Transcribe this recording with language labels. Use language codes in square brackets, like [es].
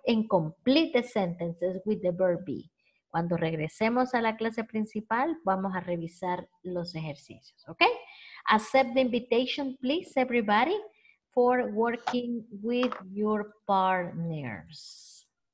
[en] En complete the sentences with the verb be. [es] Cuando regresemos a la clase principal, vamos a revisar los ejercicios, ¿ok? [en] Accept the invitation, please, everybody, for working with your partners.